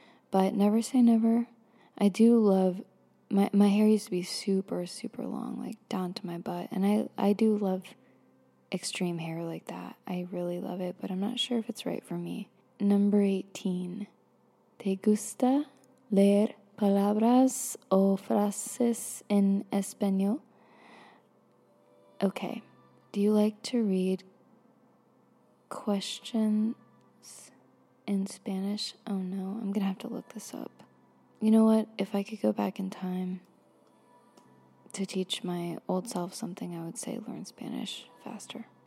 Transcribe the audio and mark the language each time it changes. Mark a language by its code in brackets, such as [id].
[en] But never say never. I do love, my hair used to be super, super long, like down to my butt. And I do love extreme hair like that. I really love it, but I'm not sure if it's right for me. Number 18. [es] ¿Te gusta leer palabras o frases en español? [en] Okay. Do you like to read questions in Spanish? Oh no, I'm gonna have to look this up. You know what? If I could go back in time to teach my old self something, I would say learn Spanish faster.